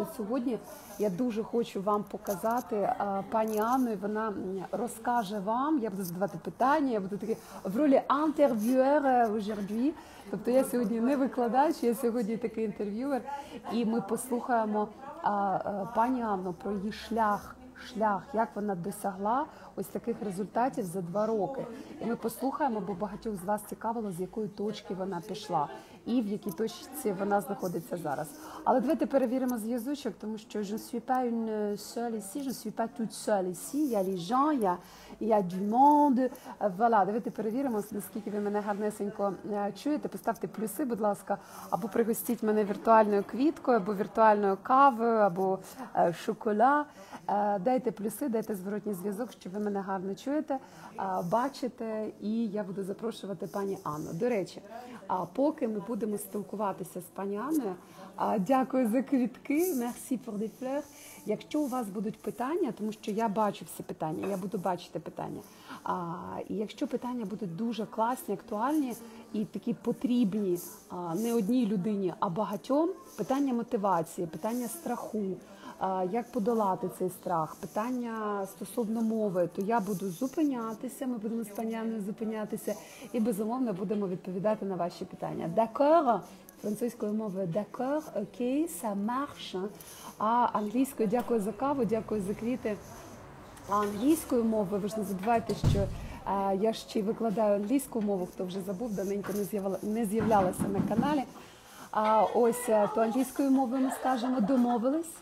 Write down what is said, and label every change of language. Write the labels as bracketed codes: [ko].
[uk] І от сьогодні я дуже хочу вам показати пані Анну, і вона розкаже вам, я буду задавати питання, я буду такий в ролі інтерв'юера [fr] aujourd'hui, [uk] тобто я сьогодні не викладач, я сьогодні такий інтерв'юер, і ми послухаємо пані Анну про її шлях, як вона досягла ось таких результатів за 2 роки. І ми послухаємо, бо багатьох з вас цікавило, з якої точки вона пішла і в якій точці вона знаходиться зараз. Але давайте перевіримо з язичок, тому що [fr] je ne suis pas une seule ici, je ne suis pas toute seule ici, il y a les gens, il y a du monde. [uk] Voilà, давайте перевіримо, наскільки ви мене гарнесенько чуєте. Поставте плюси, будь ласка, або пригостіть мене віртуальною квіткою, або віртуальною кавою, або шоколад. Дайте плюси, дайте зворотній зв'язок, що ви мене гарно чуєте, бачите, і я буду запрошувати пані Анну. До речі, поки ми будемо спілкуватися з пані Анною, дякую за квітки, [fr] merci pour les fleurs. [uk] Якщо у вас будуть питання, тому що я бачу всі питання, я буду бачити питання, і якщо питання будуть дуже класні, актуальні і такі потрібні не одній людині, а багатьом, питання мотивації, питання страху, як подолати цей страх, питання стосовно мови, то я буду зупинятися, ми будемо з пані Анною зупинятися і, безумовно, будемо відповідати на ваші питання. [fr] D'accord? [uk] Французькою мовою [fr] d'accord, ok, ça marche. [uk] А англійською дякую за каву, дякую за квіти. А англійською мовою, ви ж не забувайте, що я ще викладаю англійську мову, хто вже забув, давненько не з'являлася на каналі. А ось то англійською мовою ми скажемо домовились.